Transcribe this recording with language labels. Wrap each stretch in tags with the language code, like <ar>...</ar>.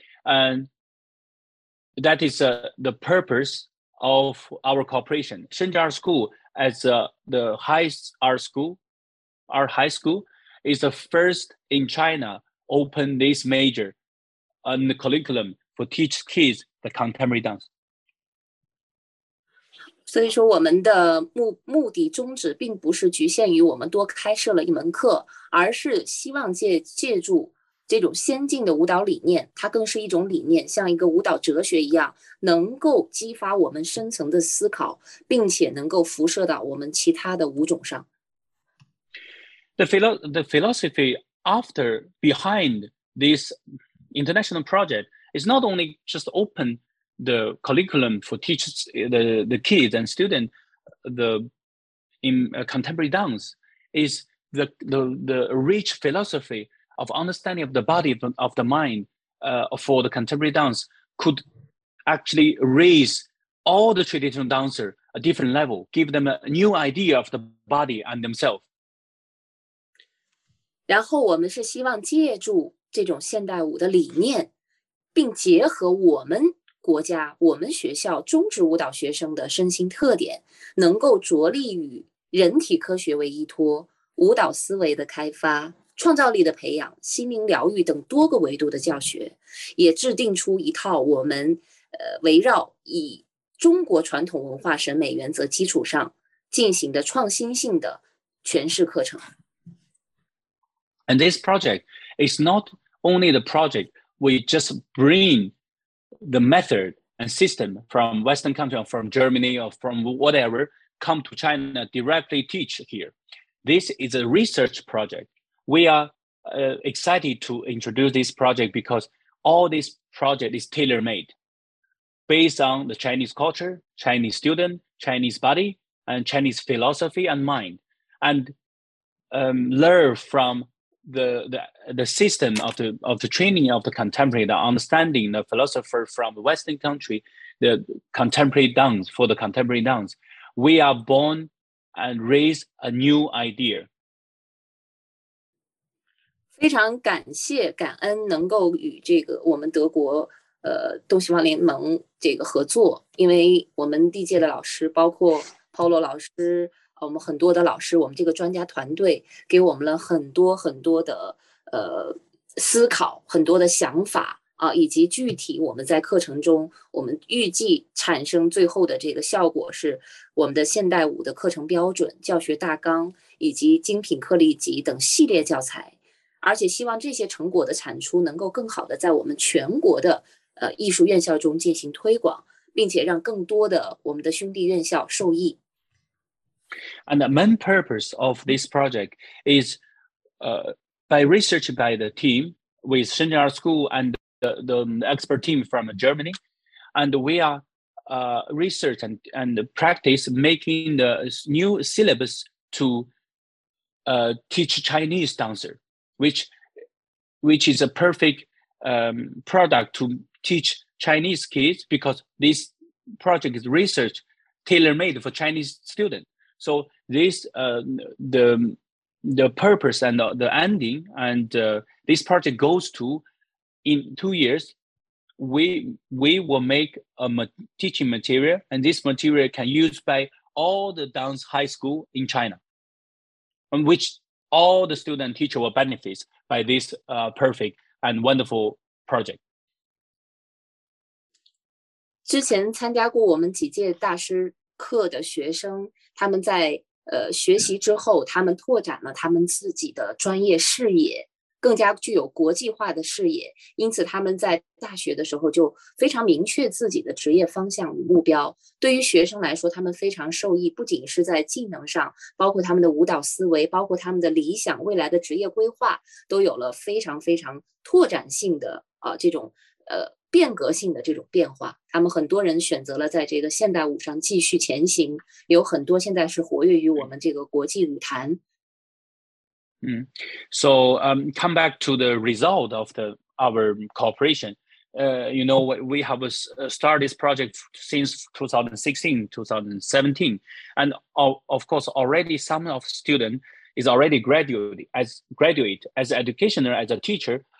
<en>And that is the purpose of our cooperation. Shenzhen Art School, as the highest art high school, is the first in China open this major on the curriculum for teach kids the contemporary dance.</en> <zh>所以说我们的目的宗旨并不是局限于我们多开设了一门课，而是希望借助这种先进的舞蹈理念，它更是一种理念，像一个舞蹈哲学一样，能够激发我们深层的思考，并且能够辐射到我们其他的舞种上。</zh> <en>The philosophy after behind this international project is not only just open the curriculum for teachers, the kids and students, contemporary dance, is the rich philosophy. Of understanding of the body of the mind for the contemporary dance could actually raise all the traditional dancers a different level, give them a new idea of the body and themselves.</en> <zh>然后我们是希望借助这种现代舞的理念，并结合我们国家、我们学校中职舞蹈学生的身心特点，能够着力于人体科学为依托，舞蹈思维的开发。创造力的培养、心灵疗愈等多个维度的教学，也制定出一套我们围绕以中国传统文化审美原则基础上进行的创新性的诠释课程。</zh> <en>And this project is not only the project we just bring the method and system from Western country or from Germany or from whatever come to China directly teach here. This is a research project. We are excited to introduce this project because all this project is tailor-made based on the Chinese culture, Chinese student, Chinese body, and Chinese philosophy and mind, and learn from the system of the training of the contemporary, the understanding, the philosopher from the Western country, the contemporary dance, for the contemporary dance. We are born and raised a new idea.</en> <zh>非常感谢感恩能够与这个我们德国东西方联盟这个合作，因为我们历届的老师包括 Polo 老师，我们很多的老师，我们这个专家团队给我们了很多很多的思考，很多的想法啊，以及具体我们在课程中我们预计产生最后的这个效果是我们的现代舞的课程标准、教学大纲以及精品课例集等系列教材，而且希望这些成果的产出能够更好的在我们全国的艺术院校中进行推广，并且让更多的我们的兄弟院校受益。</zh> <en>And the main purpose of this project is by research by the team with Shenzhen Art School and the expert team from Germany, and we are research and practice making the new syllabus to teach Chinese dancer. Which is a perfect product to teach Chinese kids because this project is research tailor-made for Chinese students. So this, the purpose and the ending and this project goes to, in 2 years, we will make a teaching material and this material can used by all the dance high school in China, on which all the student teacher will benefit. By this perfect and wonderful project.</en> <zh>之前参加过我们几届大师课的学生，他们在学习之后他们拓展了他们自己的专业视野，更加具有国际化的视野，因此他们在大学的时候就非常明确自己的职业方向与目标。对于学生来说，他们非常受益，不仅是在技能上，包括他们的舞蹈思维，包括他们的理想未来的职业规划，都有了非常非常拓展性的这种变革性的这种变化。他们很多人选择了在这个现代舞上继续前行，有很多现在是活跃于我们这个国际舞坛。</zh> <en>So come back to the result of our cooperation. You know, we have started this project since 2016, 2017. And of course, already some of students is already graduate as educational, as a teacher.</en>